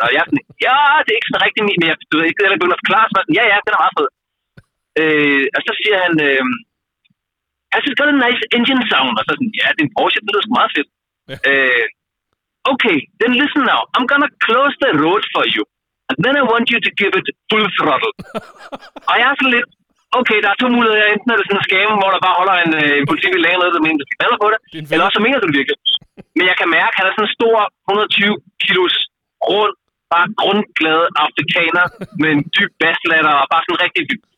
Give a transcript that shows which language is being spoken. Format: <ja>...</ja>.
<da>Og jeg er sådan, ja, det er ikke sådan rigtig mere. Du ved ikke, det er begyndt at forklare sig. Ja, ja, den er meget fed. Og så siger han,</da> <en>has it got a nice engine sound?</en> <da>Og så sådan, ja, din Porsche, den lyder så meget fedt.</da> <en>Okay, then listen now. I'm gonna close the road for you. And then I want you to give it full throttle.</en> <da>Og jeg er sådan lidt, okay, der er to muligheder. Enten er det sådan en skam, hvor der bare holder en politibil længere noget, der mener, der skal falde på det. Eller også mener du det virkelig. Men jeg kan mærke, at han er sådan en stor 120 kilos rund, bare grundglade afrikaner med en dyb basslatter og bare sådan rigtig dyb.</da>